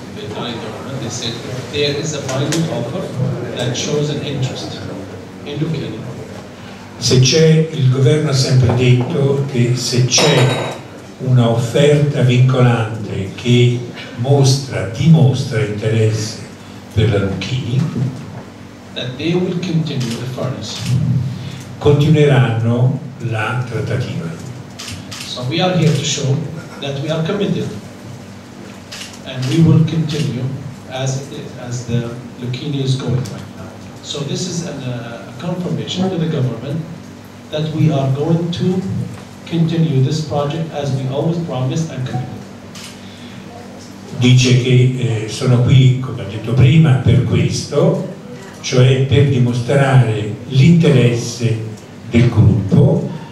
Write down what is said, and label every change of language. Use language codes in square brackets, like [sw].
[en] They said there is a binding offer that shows an interest in looking. [it] Se c'è, il governo ha sempre detto che se c'è una offerta vincolante che dimostra interesse per la Lucchini, [en] that they will continue the furnace. [it] Continueranno la trattativa. [en] So we are here to show that we are committed and we will continue as the Lucchini is going right now. So this is a confirmation to the government that we are going to continue this project as we always promised and committed. [it] Dice che sono qui, come ha detto prima, per questo, cioè per dimostrare l'interesse del gruppo.